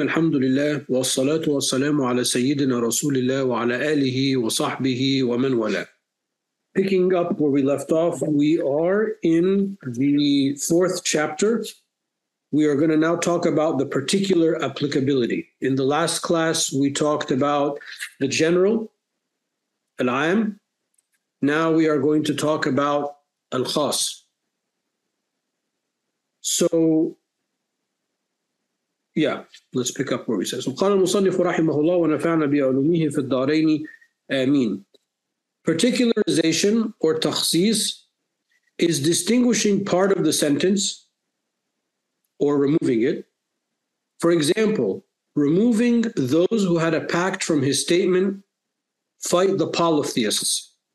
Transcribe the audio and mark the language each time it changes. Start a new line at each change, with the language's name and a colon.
Arabic: الحمد لله والصلاة والسلام على سيدنا رسول الله وعلى آله وصحبه ومن والاه.
English: Picking up where we left off, we are in the fourth chapter. We are going to now talk about the particular applicability. In the last class, we talked about the general, العام. Now we are going to talk about الخاص. So, yeah, let's pick up where he says.
Arabic: قال المصنف رحمه الله ونفعنا بعلومه في الدارين آمين.
English: Particularization or تخصيص is distinguishing part of the sentence or removing it. For example, removing those who had a pact from his statement, fight the polytheists.